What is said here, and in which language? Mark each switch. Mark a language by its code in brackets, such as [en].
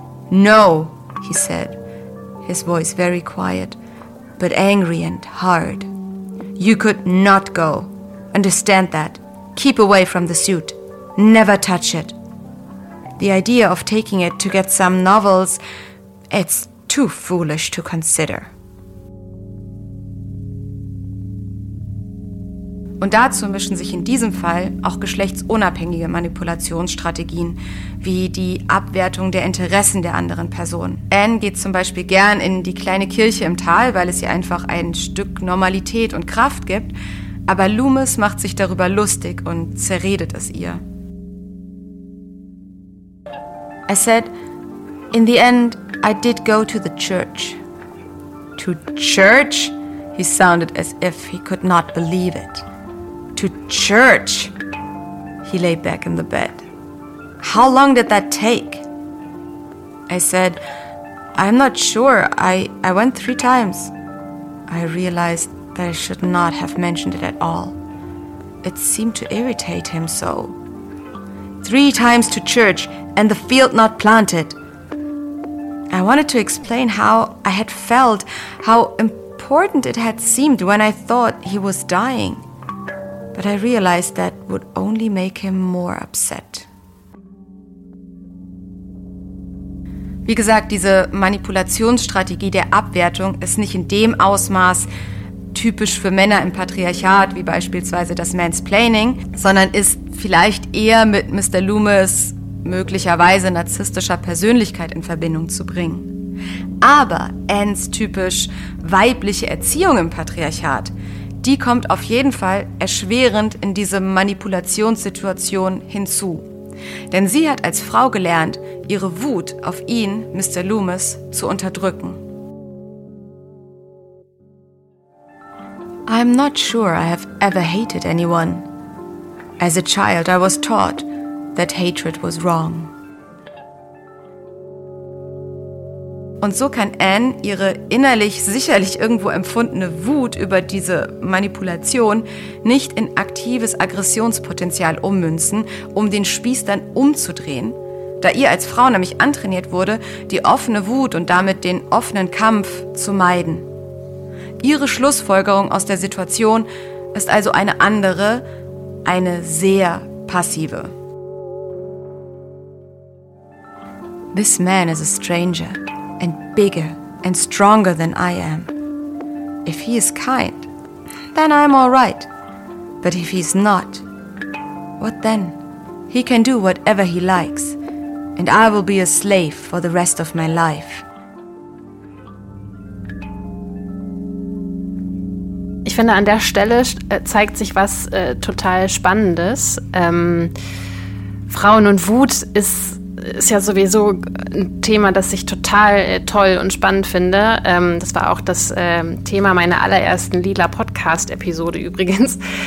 [en] "No," he said, his voice very quiet, but angry and hard. "You could not go. Understand that. Keep away from the suit. Never touch it. The idea of taking it to get some novels, it's too foolish to consider." [de] Und dazu mischen sich in diesem Fall auch geschlechtsunabhängige Manipulationsstrategien, wie die Abwertung der Interessen der anderen Person. Anne geht zum Beispiel gern in die kleine Kirche im Tal, weil es ihr einfach ein Stück Normalität und Kraft gibt, aber Loomis macht sich darüber lustig und zerredet es ihr. [en] I said, "In the end, I did go to the church." "To church?" He sounded as if he could not believe it. "To church." He lay back in the bed. "How long did that take?" I said, "I'm not sure. I went 3 times. I realized that I should not have mentioned it at all. It seemed to irritate him so. 3 times to church and the field not planted. I wanted to explain how I had felt, how important it had seemed when I thought he was dying. But I realized that would only make him more upset." [de] Wie gesagt, diese Manipulationsstrategie der Abwertung ist nicht in dem Ausmaß typisch für Männer im Patriarchat, wie beispielsweise das Mansplaining, sondern ist vielleicht eher mit Mr. Loomis möglicherweise narzisstischer Persönlichkeit in Verbindung zu bringen. Aber Annes typisch weibliche Erziehung im Patriarchat, die kommt auf jeden Fall erschwerend in diese Manipulationssituation hinzu. Denn sie hat als Frau gelernt, ihre Wut auf ihn, Mr. Loomis, zu unterdrücken. [en] "I'm not sure I have ever hated anyone. As a child, I was taught that hatred was wrong." [de] Und so kann Anne ihre innerlich sicherlich irgendwo empfundene Wut über diese Manipulation nicht in aktives Aggressionspotenzial ummünzen, um den Spieß dann umzudrehen, da ihr als Frau nämlich antrainiert wurde, die offene Wut und damit den offenen Kampf zu meiden. Ihre Schlussfolgerung aus der Situation ist also eine andere, eine sehr passive. [en] "This man is a stranger. And bigger and stronger than I am. If he is kind, then I'm all right. But if he's not, what then? He can do whatever he likes, and I will be a slave for the rest of my life." [de] Ich finde, an der Stelle zeigt sich was total Spannendes. Frauen und Wut ist ja sowieso ein Thema, das ich total toll und spannend finde. Das war auch das Thema meiner allerersten Lila-Podcast-Episode übrigens.